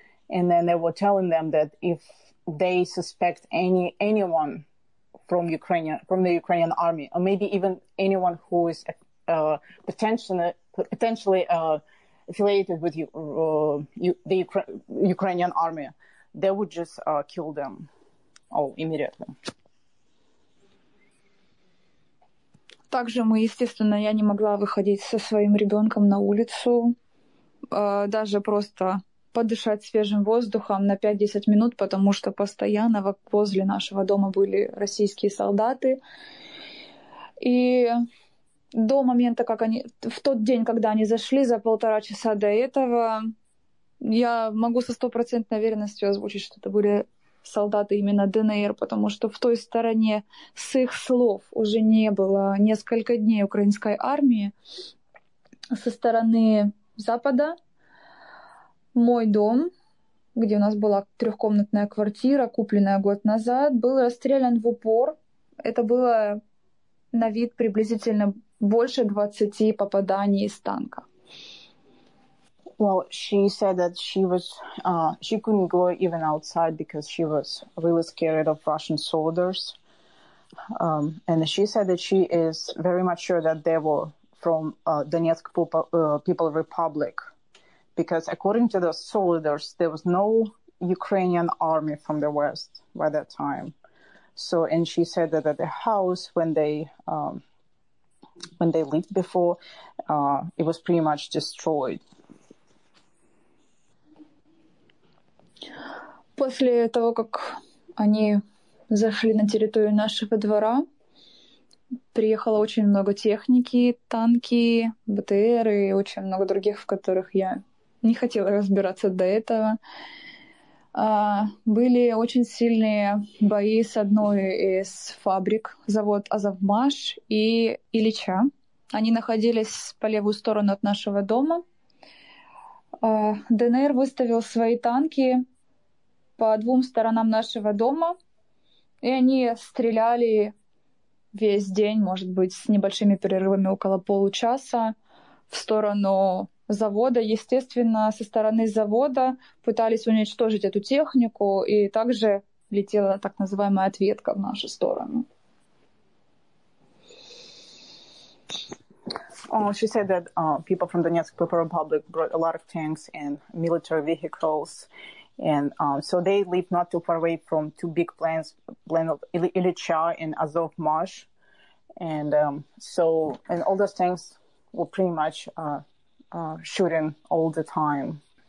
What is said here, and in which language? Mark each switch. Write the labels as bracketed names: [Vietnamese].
[English] And then they were telling them that if they suspect anyone from the Ukrainian army, or maybe even anyone who is potentially affiliated with the Ukrainian army, they would just kill them all immediately. [Russian] Также мы, естественно, я не могла выходить со своим ребенком на улицу, даже просто подышать свежим воздухом на 5-10 минут, потому что постоянно возле нашего дома были российские солдаты. И до момента, как они... В тот день, когда они зашли, за полтора часа до этого, я могу со 100% уверенностью озвучить, что это были солдаты именно ДНР, потому что в той стороне, с их слов, уже не было несколько дней украинской армии. Со стороны Запада мой дом, где у нас была трехкомнатная квартира, купленная год назад, был расстрелян в упор. Это было на вид приблизительно больше 20 попаданий из танка. [English] Well, she said that she couldn't go even outside because she was really scared of Russian soldiers. And she said that she is very much sure that they were from Donetsk People Republic. Because according to the soldiers, there was no Ukrainian army from the West by that time. So, and she said that at the house when they lived before, it was pretty much destroyed. [Russian] После того, как они зашли на территорию нашего двора, приехало очень много техники, танки, БТР и очень много других, в которых я не хотела разбираться до этого. Были очень сильные бои с одной из фабрик, завод «Азовмаш» и «Ильича». Они находились по левую сторону от нашего дома. ДНР выставил свои танки по двум сторонам нашего дома, и они стреляли весь день, может быть, с небольшими перерывами около получаса в сторону завода. Естественно, со стороны завода пытались уничтожить эту технику, и также летела так называемая ответка в нашу сторону. [English] She said that people from Donetsk People's Republic brought a lot of tanks and military vehicles. And so they lived not too far away from two big plants, plant of Ilycha and Azovmash. And and all those tanks were pretty much shooting all the time.